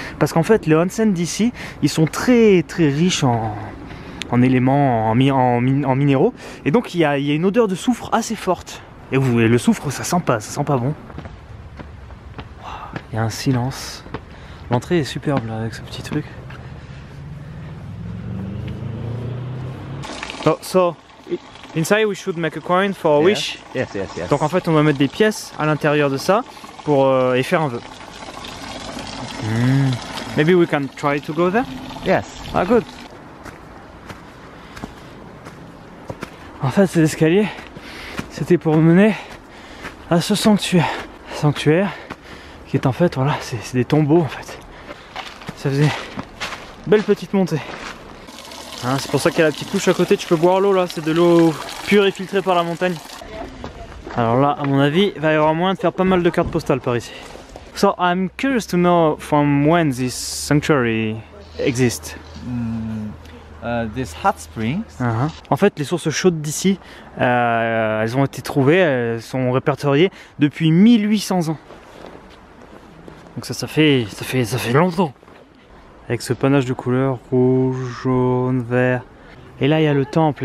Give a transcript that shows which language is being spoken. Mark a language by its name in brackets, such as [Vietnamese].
[French] Parce qu'en fait, les onsen d'ici, ils sont très très riches en éléments, en minéraux. Et donc, il y a une odeur de soufre assez forte. Et vous voyez, le soufre, ça sent pas bon. Il y a un silence. L'entrée est superbe là avec ce petit truc. [English] Oh, so, inside we should make a coin for a wish. Yes. [French] Donc en fait, on va mettre des pièces à l'intérieur de ça pour y faire un vœu. [English] Maybe we can try to go there? Yes. Ah, good. [French] En fait, cet escalier, c'était pour mener à ce sanctuaire. Sanctuaire qui est en fait, voilà, c'est des tombeaux en fait. Ça faisait belle petite montée. Hein, c'est pour ça qu'il y a la petite couche à côté, tu peux boire l'eau là, c'est de l'eau pure et filtrée par la montagne. Alors là, à mon avis, il va y avoir moyen de faire pas mal de cartes postales par ici. [English] So, I'm curious to know from when this sanctuary exists. This hot springs. [French] En fait, les sources chaudes d'ici, elles ont été trouvées, elles sont répertoriées depuis 1800 ans. Donc ça fait longtemps. Avec ce panache de couleurs, rouge, jaune, vert. Et là, il y a le temple.